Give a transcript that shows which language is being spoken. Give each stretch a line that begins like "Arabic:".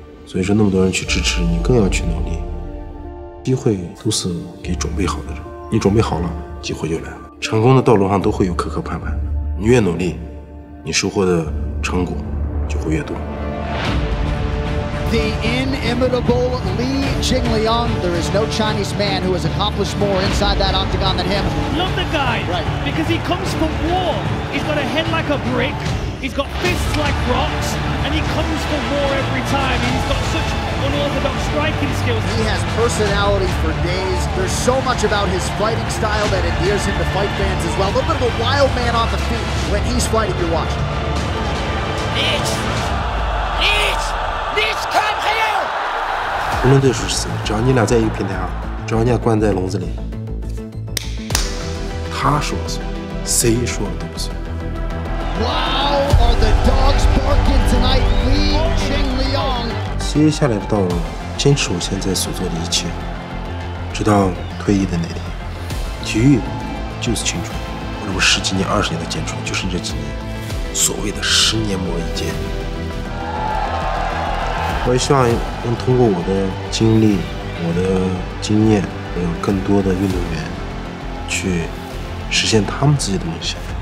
Chinese: 所以说那么多人去支持你，更要去努力。机会都是给准备好的人，你准备好了，机会就来了。成功的道路上都会有磕磕绊绊，你越努力，你收获的成果就会越多。
English: The inimitable Li Jingliang. There is no Chinese man who has accomplished more inside that octagon than him. Love the guy, right? Because he comes from war. He's got a head like a brick. He's got fists like rocks, and he comes for war every time. He's got such. Unorthodox striking skills. He has personality for days. There's so much about his fighting style that endears him to fight fans as well. A little bit of a wild man on the feet when he's fighting, you're watching. Leech, come here!
Chinese: 无论对手是谁，只要你俩在一个平台上，只要你俩关在笼子里，他说了算，谁说了都不算。
English: Wow, are the dogs barking tonight, Li Jingliang?
Chinese: 接下来的道路，坚持我现在所做的一切，直到退役的那天。体育就是青春，我这十几年、二十年的坚持，就是这几年所谓的十年磨一剑。我也希望能通过我的经历、我的经验，让更多的运动员去实现他们自己的梦想。